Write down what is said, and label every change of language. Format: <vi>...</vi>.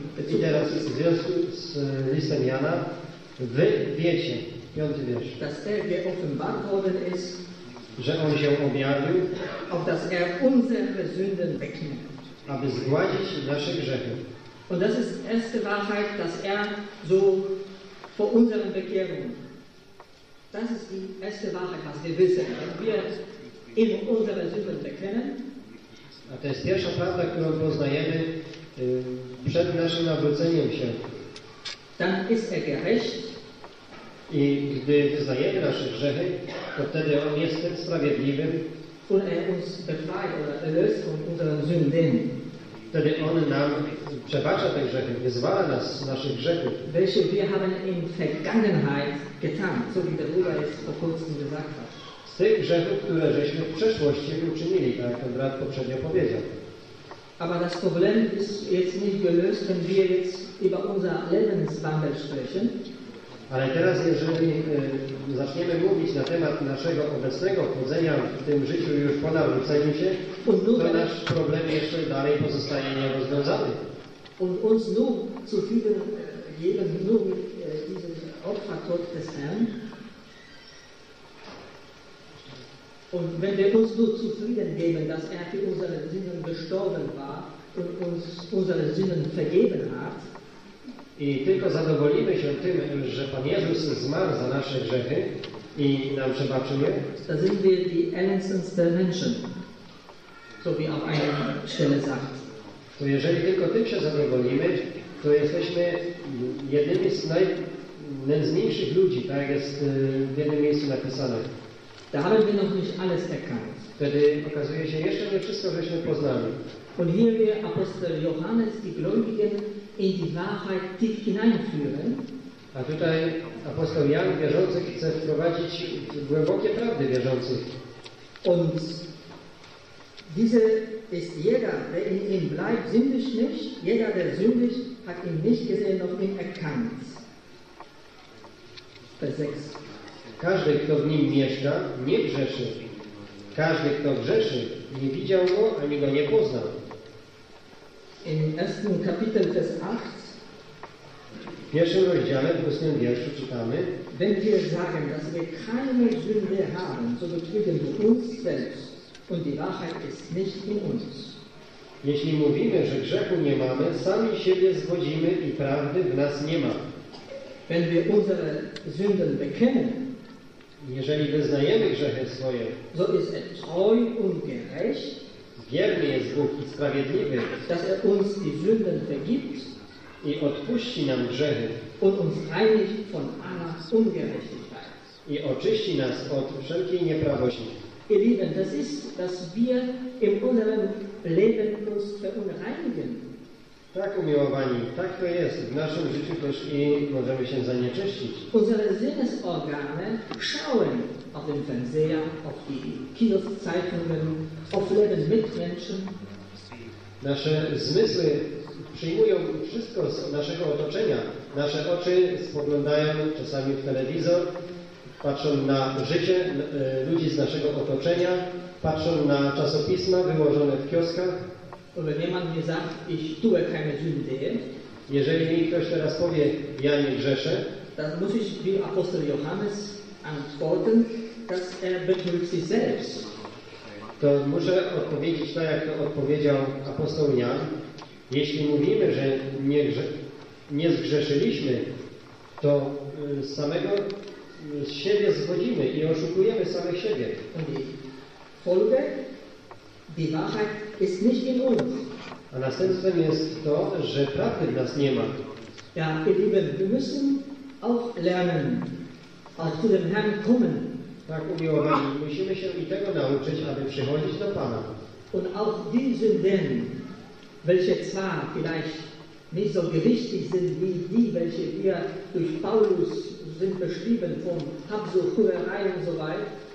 <pl>I teraz w związku z listem Jana, wy wiecie, piąty wiersz,</pl> <de>dass er geoffenbart worden ist,</de> <pl>że on się objawił,</pl> <de>auf dass er unsere Sünden wegnimmt,</de> <pl>aby zgładzić nasze grzechy.</pl> <de>Und das ist erste Wahrheit, dass er so vor unseren Bekehrungen, das ist die erste Wahrheit, was wir wissen, dass wir in unsere Sünden bekennen.</de> <pl>A to jest pierwsza prawda, którą poznajemy przed naszym nawróceniem się.</pl> <de>Dann ist er gerecht.</de> <pl>I gdy wyznajemy nasze grzechy, to wtedy on jest sprawiedliwy.</pl> <de>Und er uns befreit oder erlöst von unseren Sünden.</de> <pl>Wtedy on nam przebacza te grzechy, wyzwala nas z naszych grzechów.</pl> <de>Welche wir haben in Vergangenheit getan, so wie der Bruder jetzt vor kurzem gesagt hat.</de> <pl>Z tych grzechów, które żeśmy w przeszłości uczynili, tak jak ten brat poprzednio powiedział.</pl> <de>Aber das Problem ist jetzt nicht gelöst, wenn wir jetzt über unser Lebenswandel sprechen.</de> <pl>Ale teraz, jeżeli zaczniemy mówić na temat naszego obecnego chodzenia w tym życiu już po nawróceniu się, to nasz problem jeszcze dalej pozostaje nierozwiązany.</pl> <de>Und uns nur zu fügen, jeden nur diesen Opfertod des Herrn. Und wenn wir uns nur zufrieden geben, dass er für unsere Sünden gestorben war und uns unsere Sünden vergeben hat,</de> <pl>i tylko zadowolimy się tym, że Pan Jezus zmarł za nasze grzechy i nam przebaczył je,</pl> <de>da sind wir die elendsten Menschen, so wie auf einer Stelle sagt.</de> <pl>To jeżeli tylko tym się zadowolimy, to jesteśmy jednymi z najnędzniejszych ludzi, tak jest w jednym miejscu napisane.</pl> <de>Da haben wir noch nicht alles erkannt.</de> <pl>Wtedy okazuje się, jeszcze nie wszystko żeśmy poznali.</pl> <de>Und hier will Apostel Johannes die Gläubigen in die Wahrheit tief hineinführen.</de> <pl>A tutaj apostoł Jan wierzących chce wprowadzić głębokie prawdy wierzących.</pl> <de>Und dieser ist jeder, der in ihm bleibt, sündigt nicht. Jeder, der sündigt, hat ihn nicht gesehen, noch ihn erkannt. Vers 6.</de> <pl>Każdy, kto w nim mieszka, nie grzeszy. Każdy, kto grzeszy, nie widział go, ani go nie poznał.</pl> <de>In 1. Kapitel Vers 8.</de> <pl>W pierwszym rozdziale, w 8. wierszu czytamy.</pl> <de>Wenn wir sagen, dass wir keine Sünde haben, so betrügen wir uns selbst und die Wahrheit ist nicht in uns.</de> <pl>Jeśli mówimy, że grzechu nie mamy, sami siebie zgodzimy i prawdy w nas nie ma.</pl> <de>Wenn wir unsere Sünden bekennen,</de> <pl>jeżeli wyznajemy grzechy swoje,</pl> <de>so ist er treu und gerecht,</de> <pl>wierny jest Bóg i sprawiedliwy,</pl> <de>dass er uns die Sünden vergibt,</de> <pl>i odpuści nam grzechy,</pl> <de>und uns reinigt von aller Ungerechtigkeit,</de> <pl>i oczyści nas od wszelkiej nieprawości.</pl> <de>Ihr Lieben, das ist, dass wir in unserem Leben uns verunreinigen.</de> <pl>Tak, umiłowani, tak to jest. W naszym życiu też i możemy się zanieczyścić.</pl> <de>Unsere Sinnesorgane schauen auf den Fernseher, auf die Kinozeitungen, auf Leben mit Menschen.</de> <pl>Nasze zmysły przyjmują wszystko z naszego otoczenia. Nasze oczy spoglądają czasami w telewizor, patrzą na życie ludzi z naszego otoczenia, patrzą na czasopisma wyłożone w kioskach.</pl> <de>Und wenn jemand mir sagt, ich tue keine Sünde,</de> <pl>jeżeli mi ktoś teraz powie, ja nie grzeszę,</pl> <de>dann muss ich wie Apostel Johannes antworten, dass er betrügt sich selbst.</de> <pl>To muszę odpowiedzieć tak, jak to odpowiedział apostoł Jan. Jeśli mówimy, że nie zgrzeszyliśmy, to samego z siebie zgodzimy i oszukujemy samych siebie.</pl> <de>Folge? Die Wahrheit ist nicht in uns.</de> <pl>A następstwem jest to, że prawdy w nas nie ma.</pl> <de>Ja, ihr Lieben, wir müssen auch lernen, auch zu dem Herrn kommen.</de> <pl>Tak, umiłowani, musimy się i tego nauczyć, aby przychodzić do Pana.</pl> <de>Und auch die Sünden, welche zwar vielleicht nicht so gewichtig sind, wie die, welche wir durch Paulus sind beschrieben, von Habsucht, Hurerei und so weiter,</de>